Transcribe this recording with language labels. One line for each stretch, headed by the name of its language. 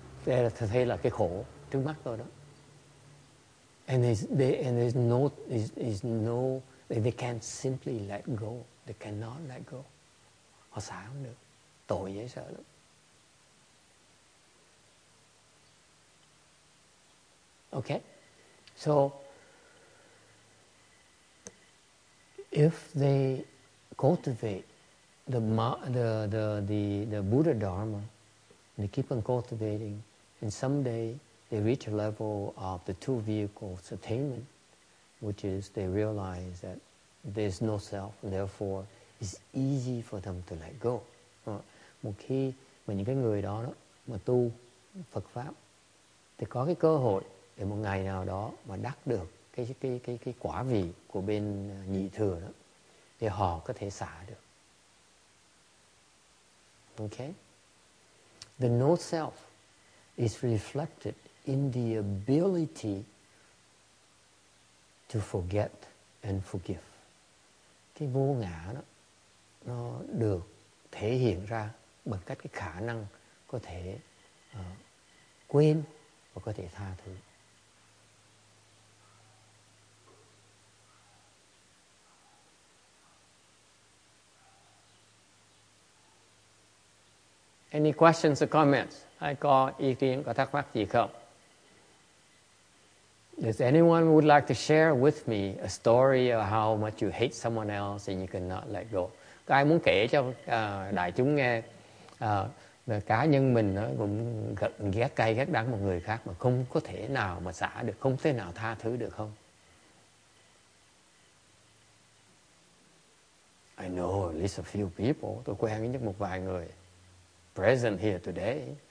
Vietnamese: Thấy là cái khổ trước mắt tôi đó.
English: And there's no they can't simply let go. They cannot let go.
Vietnamese: Họ xả không được. Tội dễ sợ lắm.
English: Okay? So if they cultivate the Buddha Dharma, they keep on cultivating, and someday they reach a level of the two vehicles attainment, which is they realize that there's no self, therefore it's easy for them to let go.
Vietnamese: một khi mà những cái người đó, đó mà tu Phật pháp thì có cái cơ hội để một ngày nào đó mà đắc được cái quả vị của bên nhị thừa đó, thì họ có thể xả được.
English: Okay, the no self is reflected in the ability to forget and forgive.
Vietnamese: Cái vô ngã đó nó được thể hiện ra bằng cách cái khả năng có thể quên và có thể tha thứ.
English: Any questions or comments?
Vietnamese: Ai có ý kiến có thắc mắc gì không?
English: Does anyone would like to share with me a story of how much you hate someone else and you cannot let go?
Vietnamese: Có ai muốn kể cho đại chúng nghe cá nhân mình cũng ghét cay ghét đắng một người khác mà không có thể nào mà xả được, không thể nào tha thứ được không?
English: I know at least a few people.
Vietnamese: Tôi quen với một vài người
English: present here today.